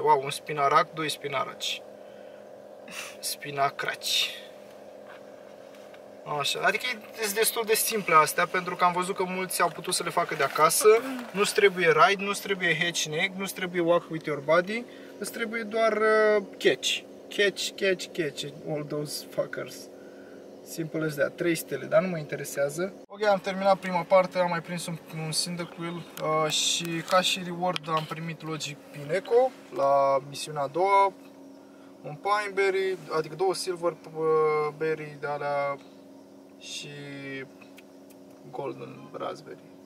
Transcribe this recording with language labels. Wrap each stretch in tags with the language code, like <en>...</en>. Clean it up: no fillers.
<ro>Wow, un spinarac, doi spinaraci. Spinacraci. Așa, adică e destul de simple astea, pentru că am văzut că mulți au putut să le facă de acasă. Nu-ți trebuie ride, nu-ți trebuie hatch neck, nu-ți trebuie</ro> <en>walk with your body,</en> <ro>îți trebuie doar catch.</ro> <en>Catch all those fuckers. Simple as that.</en> <ro>3 stele, dar nu mă interesează. Ok, am terminat prima parte, am mai prins un Cyndaquil și ca și reward am primit logic Pineco la misiunea a doua. Un pine berry, adică două silver berry de alea și golden raspberry.</ro>